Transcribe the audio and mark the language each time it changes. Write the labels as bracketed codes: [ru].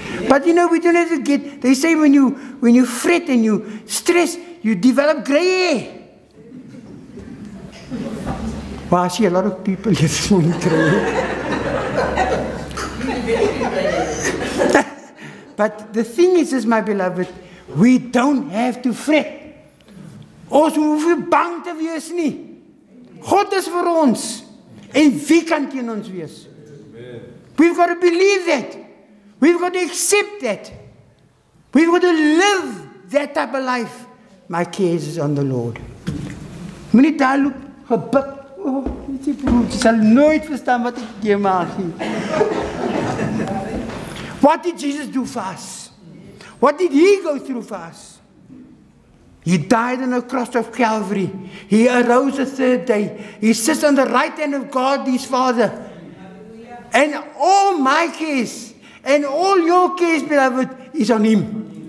[en] But you know, we don't have to get, they say when you fret and you stress, you develop gray hair. Well, I see a lot of people here this morning gray hair. But the thing is, my beloved, we don't have to fret. [af] Ons hoef nie bang te wees nie. God is vir ons. En wie kan teen ons wees? [en] We've got to believe that. We've got to accept that. We've got to live that type of life. My cares is on the Lord. [af] Moenie daar loop gebuk. Oh, jy sal nooit verstaan wat ek jy maak nie. [en] What did Jesus do for us? What did He go through for us? He died on the cross of Calvary. He arose the third day. He sits on the right hand of God, His Father. And all my cares and all your cares, beloved, is on Him.